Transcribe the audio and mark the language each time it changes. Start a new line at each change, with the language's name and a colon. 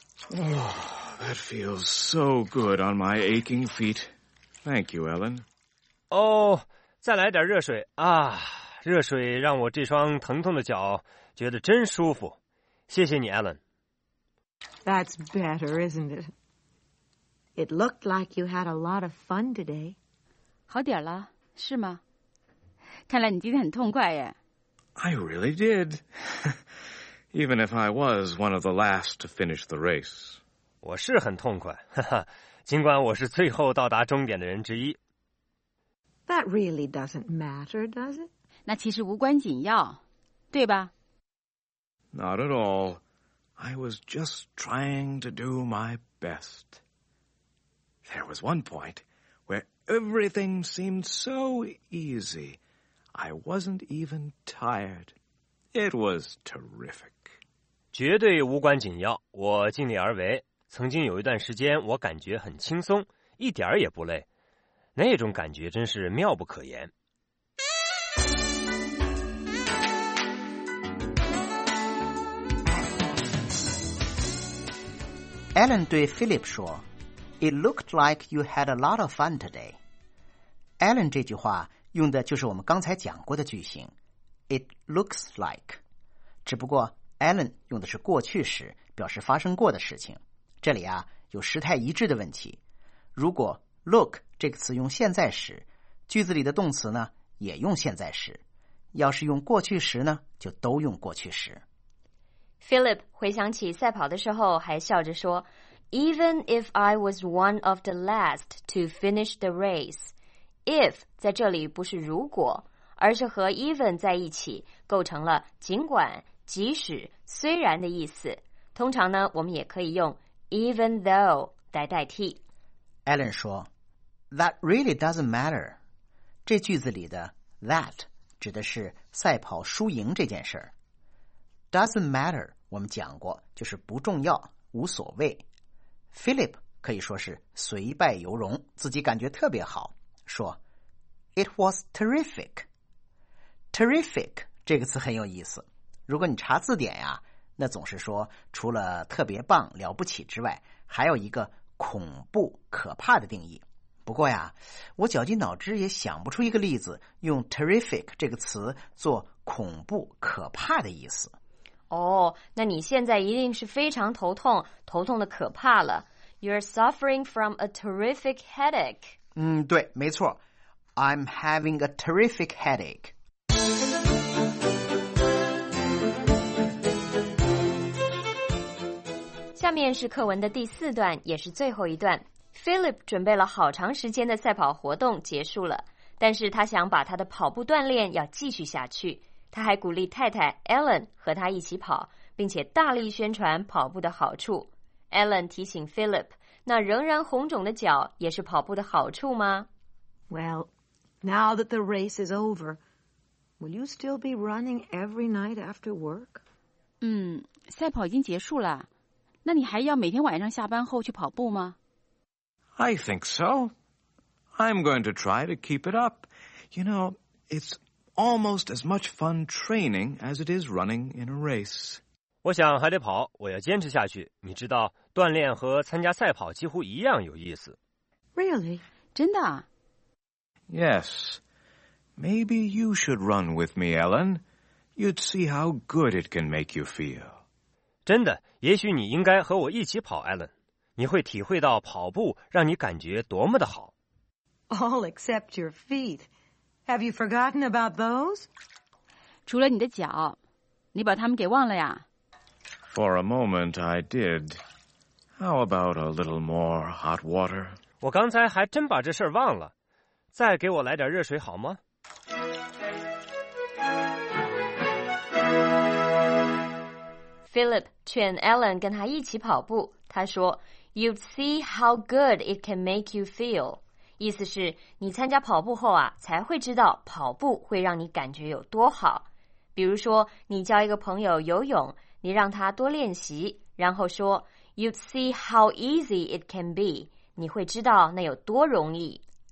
English: That feels so good on my aching feet. Thank you, Ellen.
Chinese: 再来点热水啊。热水让我这双疼痛的脚觉得真舒服，谢谢你 Alan。
English: That's better, isn't it? It looked like you had a lot of fun today.
Chinese: 好点了是吗？看来你今天很痛快耶。
English: I really did. Even if I was one of the last to finish the race.
Chinese: 我是很痛快，尽管我是最后到达终点的人之一。
English: That really doesn't matter, does it?
Chinese: 那其实无关紧要，对吧？
English: Not at all. I was just trying to do my best. There was one point where everything seemed so easy, I wasn't even tired. It was terrific.
Chinese: 绝对无关紧要，我尽力而为。曾经有一段时间我感觉很轻松，一点儿也不累，那种感觉真是妙不可言。
English: Alan
Chinese: 对
English: Philip
Chinese: 说，
English: It looked like you had a lot of fun today.
Chinese: Alan 这句话用的就是我们刚才讲过的句型
English: It looks like，
Chinese: 只不过 Alan 用的是过去时，表示发生过的事情。这里啊有时态一致的问题，如果 look 这个词用现在时，句子里的动词呢也用现在时，要是用过去时呢就都用过去时。 Philip 回想起赛跑的时候还笑着说，
English: Even if I was one of the last to finish the race，
Chinese: If 在这里不是如果，而是和 even 在一起，构成了尽管、即使、虽然的意思。通常呢我们也可以用
English: even though
Chinese: 来代替。
English: Alan
Chinese: 说，
English: That really doesn't matter。
Chinese: 这句子里的 that 指的是赛跑输赢这件事。
English: Doesn't matter，
Chinese: 我们讲过，就是不重要，无所谓。 Philip 可以说是随败犹荣，自己感觉特别好，说
English: It was terrific。
Chinese: Terrific 这个词很有意思，如果你查字典呀，那总是说除了特别棒、了不起之外，还有一个恐怖、可怕的定义。不过呀，我绞尽脑汁也想不出一个例子用 terrific 这个词做恐怖、可怕的意思。哦，那你现在一定是非常头痛，头痛的可怕了。
English: You're suffering from a terrific headache.
Chinese: 嗯，对，没错。
English: I'm having a terrific headache.
Chinese: 下面是课文的第四段，也是最后一段。Philip 准备了好长时间的赛跑活动结束了，但是他想把他的跑步锻炼要继续下去。他还鼓励太太 Ellen 和他一起跑，并且大力宣传跑步的好处。 Ellen 提醒 Philip， 那仍然红肿的脚也是跑步的好处吗？
English: Well, now that the race is over, will you still be running every night after work?
Chinese: 赛跑已经结束了，那你还要每天晚上下班后去跑步吗？
English: I think so. I'm going to try to keep it up. You know, it'sAlmost as much fun training as it is running in a race.
Chinese: 我想还得跑，我要坚持下去。你知道，锻炼和参加赛跑几乎一样有意思。
English: Really?
Chinese: 真的？
English: Yes. Maybe you should run with me, Ellen. You'd see how good it can make you feel.
Chinese: 真的，也许你应该和我一起跑， Ellen. 你会体会到跑步让你感觉多么的好。
English: All except your feet. Have you forgotten about those?
Chinese: 除了你的脚，你把它们给忘了呀？
English: For a moment I did. How about a little more hot water?
Chinese: 我刚才还真把这事儿忘了，再给我来点热水好吗？ Philip 劝 Ellen 跟他一起跑步，他说
English: You'd see how good it can make you feel.
Chinese: 意思是你参加跑步后啊，才会知道跑步会让你感觉有多好。比如说你教一个朋友游泳，你让他多练习，然后说
English: You'd see how easy it can be，
Chinese: 你会知道那有多容易。